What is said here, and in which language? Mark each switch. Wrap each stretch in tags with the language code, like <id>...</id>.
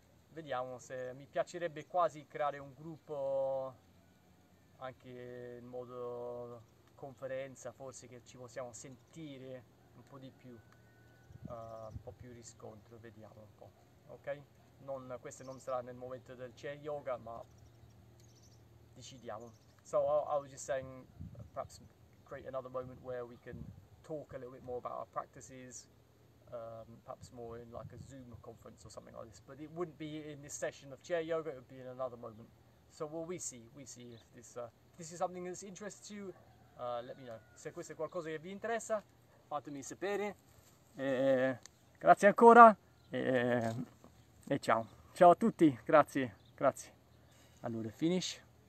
<it>Vediamo se mi piacerebbe quasi creare un gruppo anche in modo conferenza, forse che ci possiamo sentire un po' di più, un po' più riscontro, vediamo un po'. Ok? Questo non sarà nel momento del chair yoga, ma decidiamo.</it> <en>So I was just saying perhaps create another moment where we can talk a little bit more about our practices, perhaps more in like a Zoom conference or something like this, but it wouldn't be in this session of chair yoga, it would be in another moment. So well, we see if this is something that interests you, let me know.</en> <it>Se questo è qualcosa che vi interessa, fatemi sapere. Grazie ancora e ciao a tutti, grazie. Allora, finish.</it>